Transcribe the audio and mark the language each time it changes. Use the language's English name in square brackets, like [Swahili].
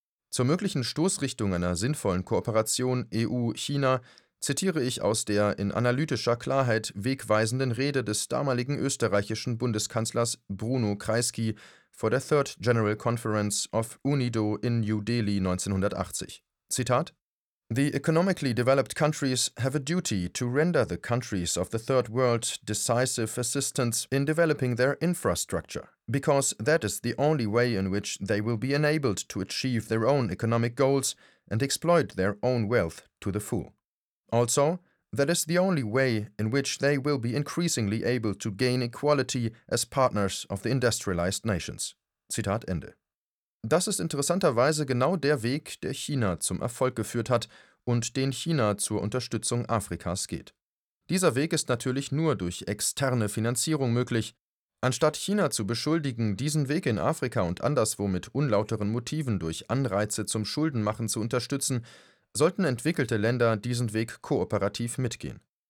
[German] Zur möglichen Stoßrichtung einer sinnvollen Kooperation EU-China zitiere ich aus der in analytischer Klarheit wegweisenden Rede des damaligen österreichischen Bundeskanzlers Bruno Kreisky vor der Third General Conference of UNIDO in New Delhi 1980. Zitat: [English] The economically developed countries have a duty to render the countries of the Third World decisive assistance in developing their infrastructure, because that is the only way in which they will be enabled to achieve their own economic goals and exploit their own wealth to the full. Also, that is the only way in which they will be increasingly able to gain equality as partners of the industrialized nations. [German] Zitat Ende. Das ist interessanterweise genau der Weg, der China zum Erfolg geführt hat und den China zur Unterstützung Afrikas geht. Dieser Weg ist natürlich nur durch externe Finanzierung möglich. Anstatt China zu beschuldigen, diesen Weg in Afrika und anderswo mit unlauteren Motiven durch Anreize zum Schuldenmachen zu unterstützen, sollten entwickelte Länder diesen Weg kooperativ mitgehen.